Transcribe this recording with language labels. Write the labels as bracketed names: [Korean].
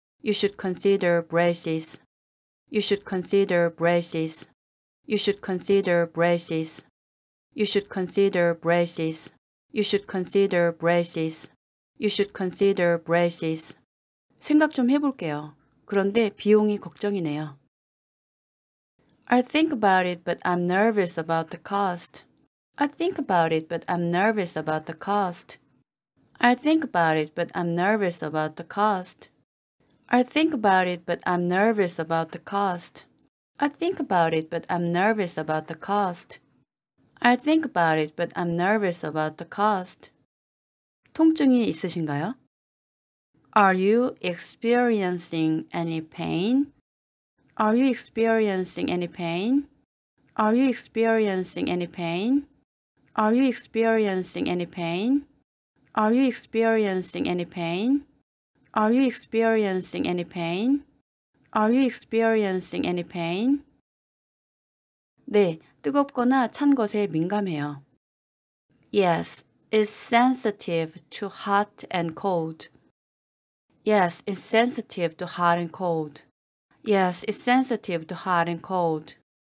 [English] You should consider braces. You should consider braces. You should consider braces. You should consider braces. You should consider braces. You should consider braces. [Korean] 생각 좀 해볼게요. 그런데 비용이 걱정이네요. [English] I think about it, but I'm nervous about the cost. I think about it, but I'm nervous about the cost. I think about it, but I'm nervous about the cost. I think about it, but I'm nervous about the cost. I think about it, but I'm nervous about the cost. I think about it, but I'm nervous about the cost. [Korean] 통증이 있으신가요? [English] Are you experiencing any pain? Are you experiencing any pain? Are you experiencing any pain? Are you experiencing any pain? Are you experiencing any pain? Are you experiencing any pain? Are you experiencing any pain? [Korean] 네, 뜨겁거나 찬 것에 민감해요. [English] Yes, it's sensitive to hot and cold. Yes, it's sensitive to hot and cold. Yes, it's sensitive to hot and cold.